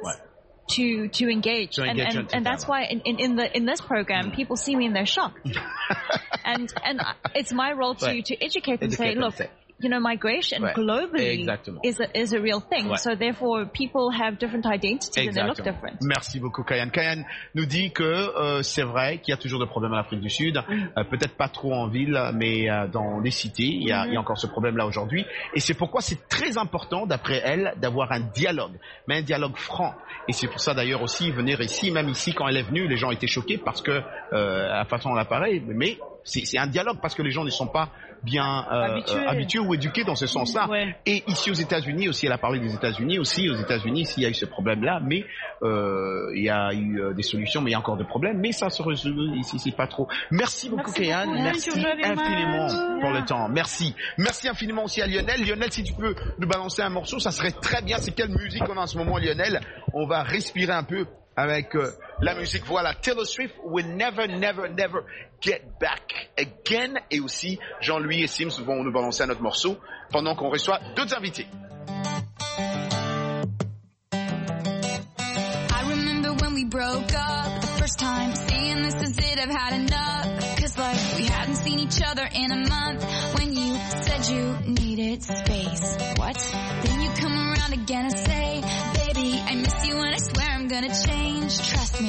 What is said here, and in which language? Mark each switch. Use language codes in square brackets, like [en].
[en] What? to engage. So and that's why in this program, people see me and they're shocked. and it's my role to educate them, say, look, you know, migration globally is a real thing. [fr] Ouais. [en] So therefore, people have different identities and they look different. [fr] Merci beaucoup, Kayane. Kayane nous dit que c'est vrai qu'il y a toujours des problèmes en Afrique du Sud. Peut-être pas trop en ville, mais dans les cités, il y a encore ce problème-là aujourd'hui. Et c'est pourquoi c'est très important, d'après elle, d'avoir un dialogue, mais un dialogue franc. Et c'est pour ça d'ailleurs aussi venir ici, même ici, quand elle est venue, les gens étaient choqués parce que la façon dont elle apparaît. Mais c'est un dialogue parce que les gens ne sont pas bien habitués ou éduqués dans ce sens-là. Ouais. Et ici aux États-Unis aussi, elle a parlé des États-Unis aussi. Aux États-Unis, s'il y a eu ce problème-là, mais il y a eu des solutions, mais il y a encore des problèmes. Mais ça se résout ici, c'est pas trop. Merci beaucoup, Kayane. Merci infiniment pour le temps. Merci. Merci infiniment aussi à Lionel. Lionel, si tu peux nous balancer un morceau, ça serait très bien. C'est quelle musique on a en ce moment, Lionel? On va respirer un peu avec la musique, voilà, Taylor Swift, We'll Never, Never, Never Get Back Again. Et aussi, Jean-Louis et Sims vont nous balancer un autre morceau pendant qu'on reçoit d'autres invités. [en] I remember when we broke up the first time, saying this is it, I've had enough. 'Cause like we hadn't seen each other in a month when you said you needed space. What? Then you come around again and say, baby, I miss you and I swear I'm gonna change. Trust me.